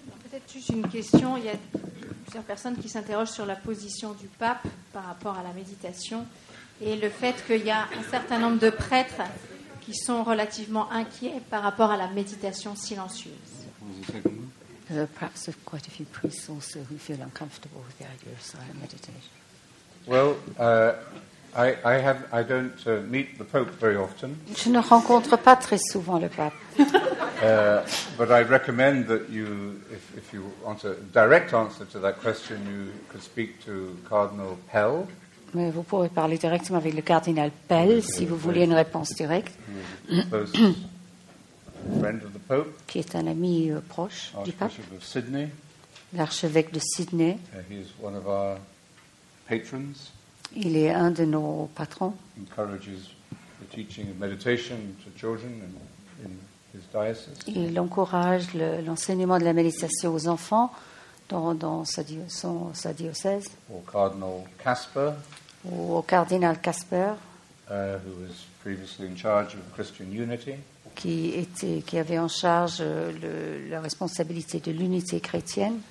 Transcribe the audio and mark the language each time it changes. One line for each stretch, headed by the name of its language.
French: Peut-être juste une question. Il y a plusieurs personnes qui s'interrogent sur la position du pape par rapport à la méditation et le fait qu'il y a un certain nombre de prêtres qui sont relativement inquiets par rapport à la méditation silencieuse.
English: Perhaps quite a few priests also who feel uncomfortable with the idea of silent meditation. Well, I don't meet the Pope very often.
French: Je ne rencontre pas très souvent le pape.
English: But I recommend that you, if you want a direct answer to that question, you could speak to Cardinal Pell.
French: Mais vous pourrez parler directement avec le cardinal Pell si vous voulez une réponse directe.
English: Friend of the Pope.
French: Qui est un ami proche du pape.
English: Archbishop of Sydney.
French: L'archevêque de Sydney.
English: He is one of our patrons.
French: Il est un de nos patrons.
English: Encourages the teaching of meditation to children and in his diocese.
French: Il encourage l'enseignement de la méditation aux enfants dans sa diocèse.
English: Or Cardinal Casper.
French: Ou au cardinal Casper.
English: Who was previously in charge of Christian Unity.
French: Qui avait en charge la responsabilité de l'unité chrétienne.